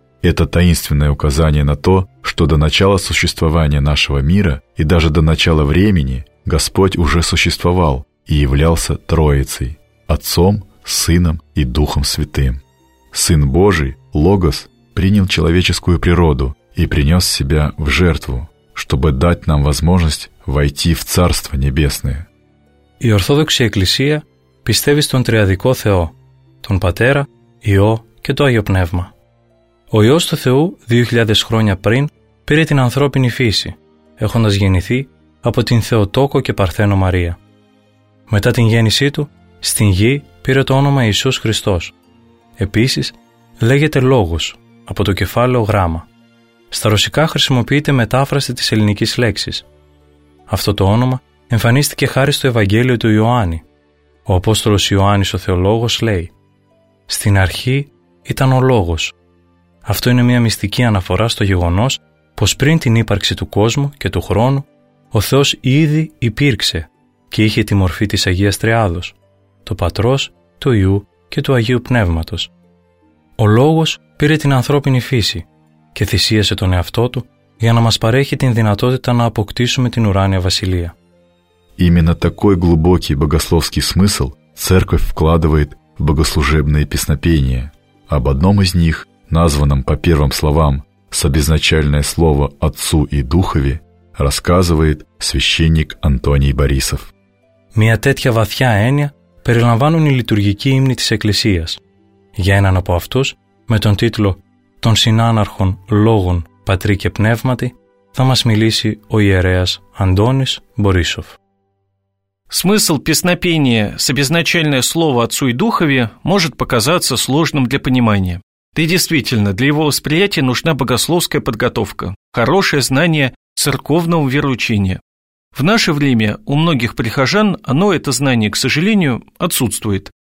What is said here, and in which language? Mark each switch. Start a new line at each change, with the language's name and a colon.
Russian: Это таинственное указание на то, что до начала существования нашего мира и даже до начала времени Господь уже существовал и являлся Троицей – Отцом, Сыном и Духом Святым. Сын Божий, Логос, принял человеческую природу и принес себя в жертву, чтобы дать нам возможность войти в Царство Небесное.
Greek: Η Ορθόδοξη Εκκλησία πιστεύει στον Τριαδικό Θεό, τον Πατέρα, Υιό και το Άγιο Πνεύμα. Ο Υιός του Θεού 2000 χρόνια πριν πήρε την ανθρώπινη φύση, έχοντας γεννηθεί από την Θεοτόκο και Παρθένο Μαρία. Μετά την γέννησή του, στην γη πήρε το όνομα Ιησούς Χριστός. Επίσης, λέγεται Λόγος από το κεφάλαιο Γράμμα. Στα ρωσικά χρησιμοποιείται μετάφραση της ελληνικής λέξης. Αυτό το όνομα εμφανίστηκε χάρη στο Ευαγγέλιο του Ιωάννη. Ο Απόστολος Ιωάννης ο Θεολόγος λέει: «Στην αρχή ήταν ο Λόγος». Αυτό είναι μια μυστική αναφορά στο γεγονός πως πριν την ύπαρξη του κόσμου και του χρόνου, ο Θεός ήδη υπήρξε και είχε τη μορφή της Αγίας Τριάδος, το Πατρός, του Υιού και του Αγίου Πνεύματος. Ο Λόγος πήρε την ανθρώπινη φύση και θυσίασε τον εαυτό του για να μας παρέχει την δυνατότητα να αποκτήσουμε την ουράνια βασιλεία.
Russian: Именно такой глубокий богословский смысл церковь вкладывает в богослужебные песнопения. Об одном из них, названном по первым словам «собезначальное слово Отцу и Духове», рассказывает священник Антоний Борисов.
Greek: Μια τέτοια βαθιά έννοια περιλαμβάνουν οι λειτουργικοί ύμνοι της Εκκλησίας. Για έναν από αυτούς, με τον τίτλο «Των συνάναρχων λόγων πατρί και πνεύματι», θα μας μιλήσει ο ιερέας Αντώνης Μπορίσοφ.
Russian: Смысл песнопения «Собезначальное слово Отцу и Духове» может показаться сложным для понимания. Да и действительно, для его восприятия нужна богословская подготовка, хорошее знание церковного вероучения. В наше время у многих прихожан оно, это знание, к сожалению, отсутствует.